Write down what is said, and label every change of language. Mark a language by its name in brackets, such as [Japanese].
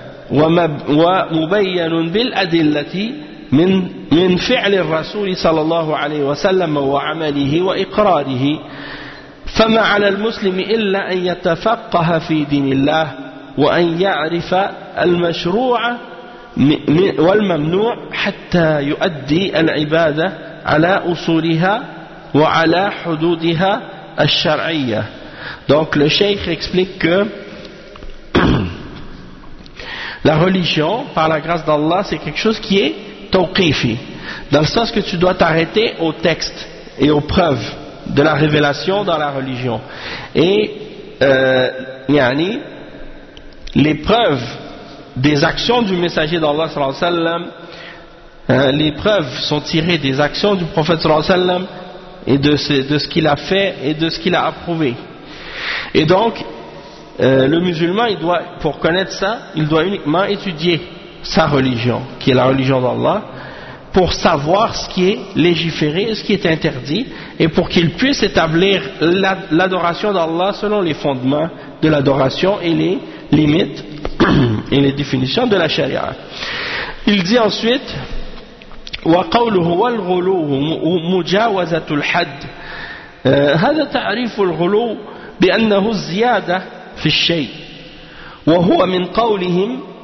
[Arabic] وَمُبَيَّنٌ بِالْأَدِلَّةِ من فعل الرسول صلى الله عليه وسلم وعمله وإقراره فما على المسلم إلا أن يتفقه في دين الله وأن يعرف المشروع والممنوع حتى يؤدي العبادة على أصولها وعلى حدودها الشرعية. [French] Donc le cheikh explique que la religion, par la grâce d'Allah, c'est quelque chose qui est tawqifi, dans le sens que tu dois t'arrêter au texte et aux preuves de la révélation dans la religion. Et yani, les preuves des actions du messager d'Allah sallallahu alayhi wa sallam, les preuves sont tirées des actions du prophète sallallahu alayhi wa sallam et de ce qu'il a fait et de ce qu'il a approuvé. Et donc le musulman, il doit, pour connaître ça, il doit uniquement étudier sa religion, qui est la religion d'Allah, pour savoir ce qui est légiféré, ce qui est interdit, et pour qu'il puisse établir l'adoration d'Allah selon les fondements de l'adoration et les limites et les définitions de la charia. Il dit ensuite [Arabic] وَقَوْلُهُ وَالْغُلُوُ مُجَاوَزَةُ الْحَدِّ هَذَا تَعْرِفُ الْغُلُوُ بِأَنَّهُ الزِّيَادَةُ فِي الشَّيْءِ وَهُوَ مِنْ قَوْلِهِمْ